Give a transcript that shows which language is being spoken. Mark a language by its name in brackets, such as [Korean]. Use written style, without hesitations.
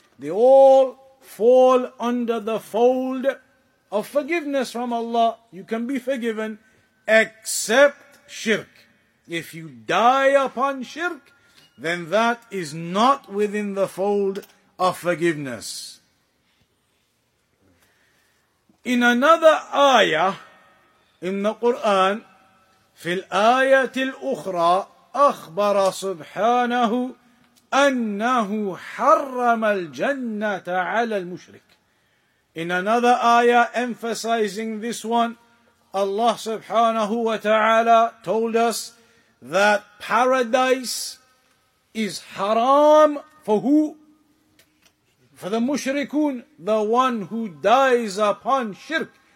[English] They all fall under the fold of forgiveness from Allah. You can be forgiven except shirk. If you die upon shirk, then that is not within the fold of forgiveness. In another ayah in the Quran, [Arabic] في الآية الأخرى أخبر سبحانه أنه حرم الجنة على المشرك. [English] In another ayah emphasizing this one, Allah subhanahu wa ta'ala told us that paradise is haram for who? For the mushrikun, the one who dies upon shirk.